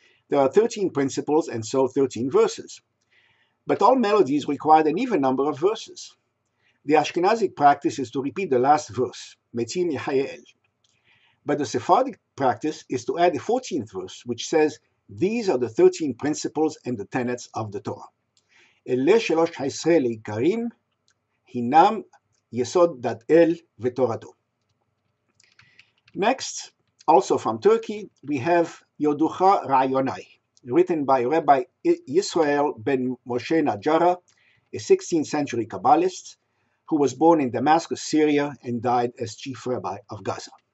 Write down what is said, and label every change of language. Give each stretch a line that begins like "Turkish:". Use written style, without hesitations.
English: There are 13 principles and so 13 verses. But all melodies require an even number of verses. The Ashkenazic practice is to repeat the last verse, Metim Yehayel. But the Sephardic practice is to add a 14th verse, which says, these are the 13 principles and the tenets of the Torah.
Hebrew: אלה שלוש עשרה לעיקרים, הינם יסוד דת אל ותורתו.
English: Next, also from Turkey, we have Yoducha Rayonai, written by Rabbi Israel ben Moshe Najara, a 16th century Kabbalist, who was born in Damascus, Syria, and died as chief rabbi of Gaza.